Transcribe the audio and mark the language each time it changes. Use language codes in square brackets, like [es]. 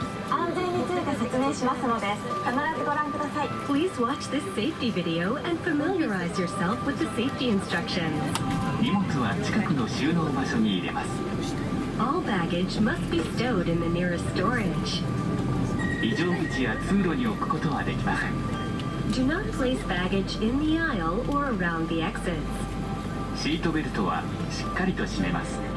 [ja] 安全について説明しますので、必ずご覧ください。 [en] Please watch this safety video and familiarize yourself with the safety instructions. [ja] 荷物は近くの収納場所に入れます。 [en] All baggage must be stowed in the nearest storage. [ja] 非常口や通路に置くことはできません。 [en] Do not place baggage in the aisle or around the exits. [ja] シートベルトはしっかりと締めます。